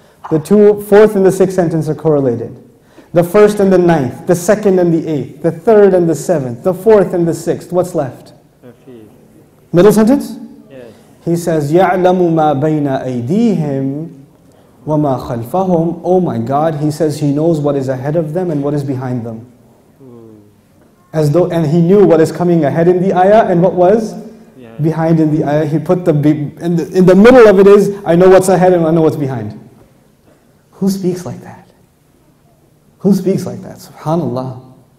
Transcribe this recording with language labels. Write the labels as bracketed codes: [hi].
[en] The two, fourth and the sixth sentence are correlated. The first and the ninth, the second and the eighth, the third and the seventh, the fourth and the sixth. What's left? Middle sentence? Yes. He says, [ar] يَعْلَمُ مَا بَيْنَ أَيْدِيهِمْ وَمَا خَلْفَهُمْ. [en] Oh my God, he says he knows what is ahead of them and what is behind them. As though, and he knew what is coming ahead in the ayah and what was behind in the ayah. He put in the middle of it is, I know what's ahead and I know what's behind. Who speaks like that? Who speaks like that? SubhanAllah.